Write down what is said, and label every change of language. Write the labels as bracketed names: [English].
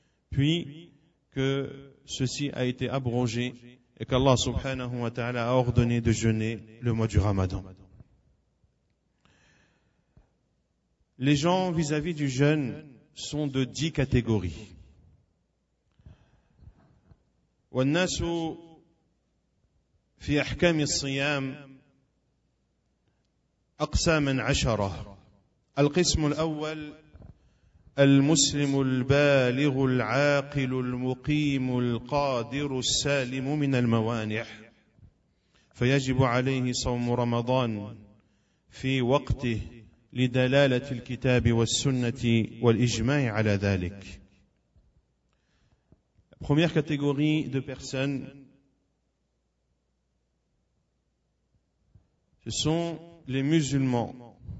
[French] Puis que ceci a été abrogé et qu'Allah subhanahu wa ta'ala a ordonné de jeûner le mois du Ramadan. Les gens vis-à-vis du jeûne sont de 10 catégories. [Arabic] والناس في أحكام الصيام أقسام عشرة. القسم الأول: المسلم البالغ العاقل المقيم القادر السالم من الموانع، فيجب عليه صوم رمضان في وقته لدلالة الكتاب والسنة والإجماع على ذلك. [French] La première catégorie de personnes, ce sont les musulmans.